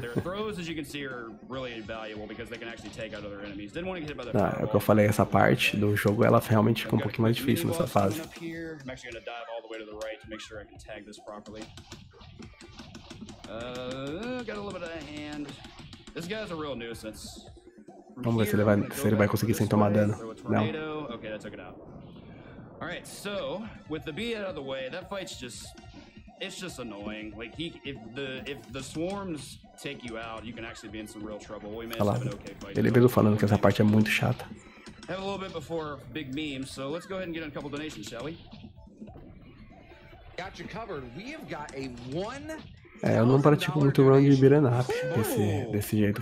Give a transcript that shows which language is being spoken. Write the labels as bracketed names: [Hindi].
[English] Their throws, as you can see, are really valuable because they can actually take out other enemies. Didn't want to get hit by the fireball. [Portuguese] Ah, é o que eu falei, essa parte do jogo, ela realmente ficou um pouquinho mais difícil nessa fase. [English] I'm actually gonna dive all the way to the right to make sure I can tag this properly. Got a little bit of a hand. This guy's a real nuisance. [Portuguese] Vamos ver se ele vai conseguir sem tomar dano. Não. [English] Okay, that took it out. Alright, so with the B out of the way, that fight's just annoying. Like if the swarms take you out, you can actually be in some real trouble. We may have an okay fight. [Portuguese] Ele mesmo falando que essa parte é muito chata. [English] Have a little bit before big memes, so let's go ahead and get a couple donations, shall we? Got you covered. We have got a one. [Portuguese] É, eu não pratico muito round de beat 'em up desse jeito.